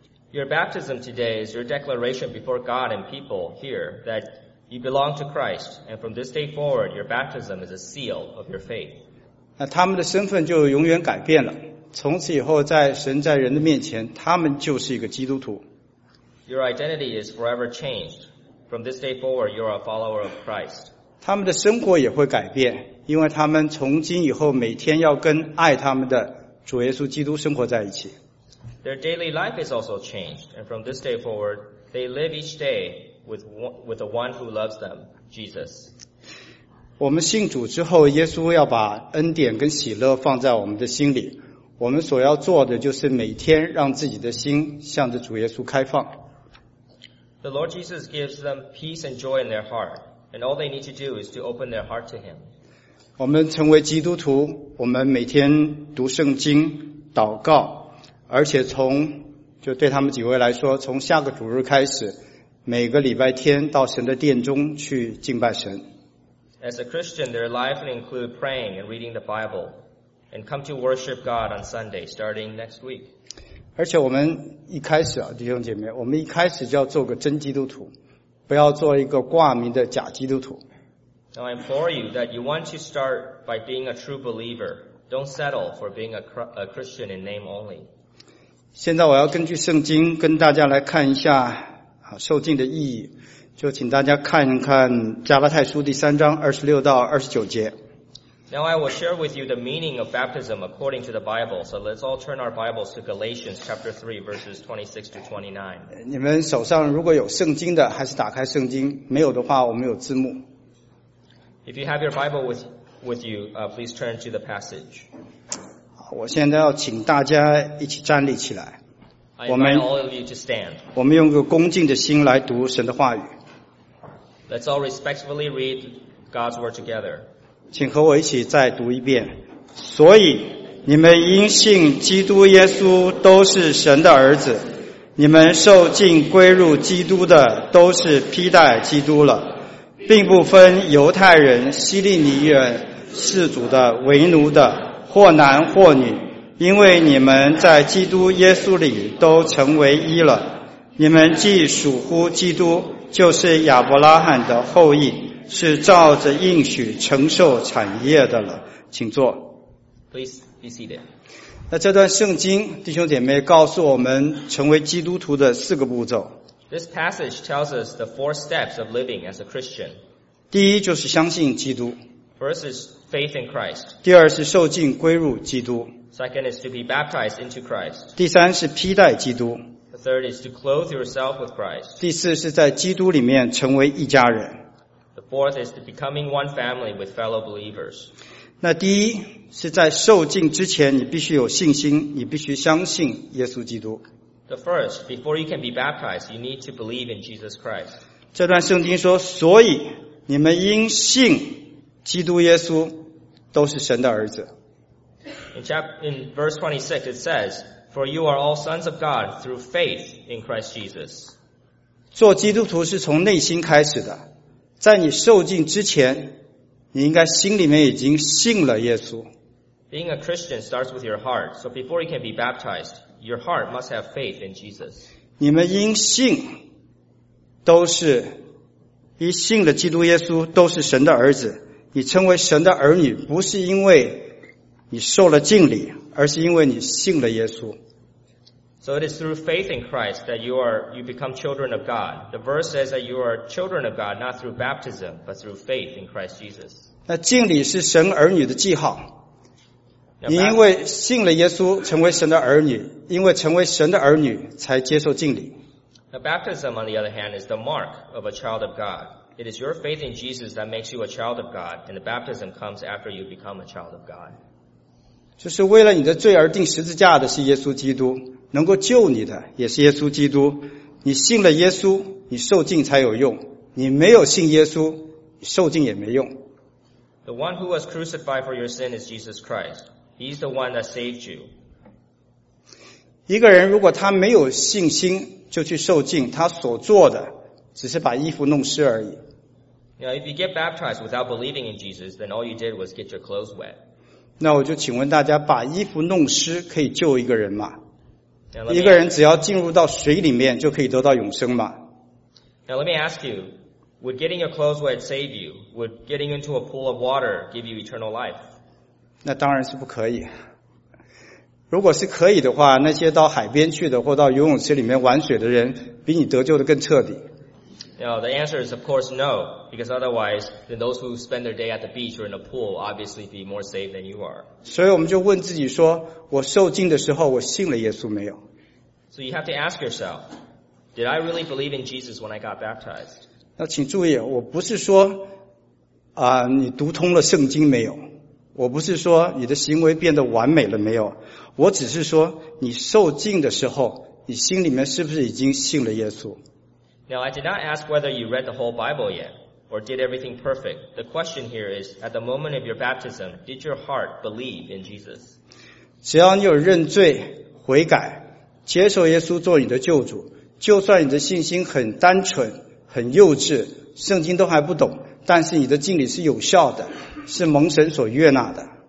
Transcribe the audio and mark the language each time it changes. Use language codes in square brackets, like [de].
[en] Your baptism today is your declaration before God and people here that you belong to Christ, and from this day forward, your baptism is a seal of your faith. [zh] 那他们的身份就永远改变了，从此以后在神在人的面前，他们就是一个基督徒。 [en] Your identity is forever changed. From this day forward, you are a follower of Christ. [zh] 他们的生活也会改变，因为他们从今以后每天要跟爱他们的主耶稣基督生活在一起。 [en] Their daily life is also changed, and from this day forward, they live each day with the one who loves them, Jesus. [zh] 我们信主之后，耶稣要把恩典跟喜乐放在我们的心里。我们所要做的就是每天让自己的心向着主耶稣开放。 [en] The Lord Jesus gives them peace and joy in their heart, and all they need to do is to open their heart to Him. [zh] 我们成为基督徒，我们每天读圣经、祷告，而且从就对他们几位来说，从下个主日开始，每个礼拜天到神的殿中去敬拜神。 [en] As a Christian, their life will include praying and reading the Bible, and come to worship God on Sunday starting next week. [zh] 而且我们一开始啊，弟兄姐妹，我们一开始就要做个真基督徒，不要做一个挂名的假基督徒。 [en] Now I implore you that you want to start by being a true believer. Don't settle for being a Christian in name only. [zh] 现在我要根据圣经跟大家来看一下受浸的意义，就请大家看一看加拉太书第三章二十六到二十九节。 [en] Now I will share with you the meaning of baptism according to the Bible. So let's all turn our Bibles to Galatians chapter 3 verses 26 to 29. [zh] 你们手上如果有圣经的还是打开圣经，没有的话我们有字幕。 [en] If you have your Bible with you, please turn to the passage. [zh] 我现在要请大家一起站立起来。 [en] I invite all of you to stand. [zh] 我们用个恭敬的心来读神的话语。 [en] Let's all respectfully read God's word together. [zh] 请和我一起再读一遍。所以你们因信基督耶稣都是神的儿子，你们受浸归入基督的都是披戴基督了，并不分犹太人、希利尼人、士族的、为奴的，或男或女，因为你们在基督耶稣里都成为一了。你们既属乎基督，就是亚伯拉罕的后裔，是照着应许承受产业的了。请坐。 [en] Please be seated. [zh] 那这段圣经弟兄姐妹告诉我们成为基督徒的四个步骤。 [en] This passage tells us the four steps of living as a Christian. [zh] 第一就是相信基督。 [en] First is faith in Christ. [zh] 第二是受浸归入基督。 [en] Second is to be baptized into Christ. [zh] 第三是披戴基督。 [en] The third is to clothe yourself with Christ. [zh] 第四是在基督里面成为一家人。 [en] The fourth is to becoming one family with fellow believers. [zh] 那第一是在受浸之前你必须有信心，你必须相信耶稣基督。 [en] The first, before you can be baptized, you need to believe in Jesus Christ. [zh] 这段圣经说，所以你们因信基督耶稣都是神的儿子。 [en] In verse 26 it says, For you are all sons of God through faith in Christ Jesus. [zh] 做基督徒是从内心开始的。在你受浸之前，你应该心里面已经信了耶稣。 [en] Being a Christian starts with your heart. So before you can be baptized, your heart must have faith in Jesus. [zh] 你们因信都是，一信了基督耶稣都是神的儿子。你称为神的儿女，不是因为你受了浸礼，而是因为你信了耶稣。 [en] So it is through faith in Christ that you become children of God. The verse says that you are children of God not through baptism, but through faith in Christ Jesus. [zh] 那浸礼是神儿女的记号。你因为信了耶稣，成为神的儿女，因为成为神的儿女，才接受浸礼。 [en] Now baptism, on the other hand, is the mark of a child of God. It is your faith in Jesus that makes you a child of God, and the baptism comes after you become a child of God. [zh] 就是为了你的罪而钉十字架的是耶稣基督，能够救你的也是耶稣基督。你信了耶稣，你受浸才有用。你没有信耶稣，你受浸也没用。 [en] The one who was crucified for your sin is Jesus Christ. He's the one that saved you. [zh] 一个人如果他没有信心就去受浸，他所做的只是把衣服弄湿而已。 [en] Now, if you get baptized without believing in Jesus, then all you did was get your clothes wet. [zh] 那我就请问大家，把衣服弄湿可以救一个人吗？一个人只要进入到水里面就可以得到永生吗？ [en] Now, let me ask you, would getting your clothes wet save you? Would getting into a pool of water give you eternal life? [zh] 那当然是不可以。如果是可以的话，那些到海边去的或到游泳池里面玩水的人比你得救的更彻底。 [en] Now, the answer is of course no, because otherwise, then those who spend their day at the beach or in a pool obviously be more saved than you are. [zh] 所以我们就问自己说，我受浸的时候我信了耶稣没有？ [en] So you have to ask yourself, did I really believe in Jesus when I got baptized? [zh] 那请注意，我不是说你读通了圣经没有，我不是说你的行为变得完美了没有，我只是说你受浸的时候你心里面是不是已经信了耶稣。 [en] Now, I did not ask whether you read the whole Bible yet or did everything perfect. The question here is, at the moment of your baptism, did your heart believe in Jesus? [zh] 只要你有认罪、悔改、接受耶稣做你的救主，就算你的信心很单纯、很幼稚，圣经都还不懂，但是你的浸礼是有效的，是蒙神所悦纳的。